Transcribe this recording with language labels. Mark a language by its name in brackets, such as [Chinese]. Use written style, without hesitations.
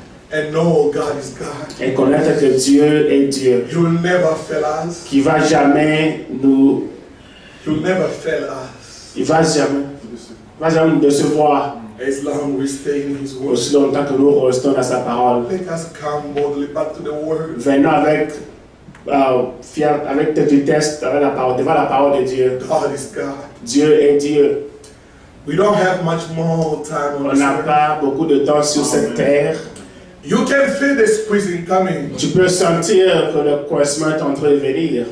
[English] And know God is God. [French] Et connaître que Dieu est Dieu. [English] You will never fail us. [French] Qui va jamais nous. [English] You will never fail us. [French] Il va jamais nous décevoir. [English] As long we stay in His word. [French] Aussi longtemps que nous restons dans sa parole. [English] Let us come boldly back to the word. [French] Venons avec tes vitesses devant la parole de Dieu. [English] God is God. [French] Dieu est Dieu. [English] We don't have much more time on [French] this. On n'a pas beaucoup de temps sur cette terre. [English] You can feel the squeezing coming. [French] Tu peux sentir que le coincement est en train de venir.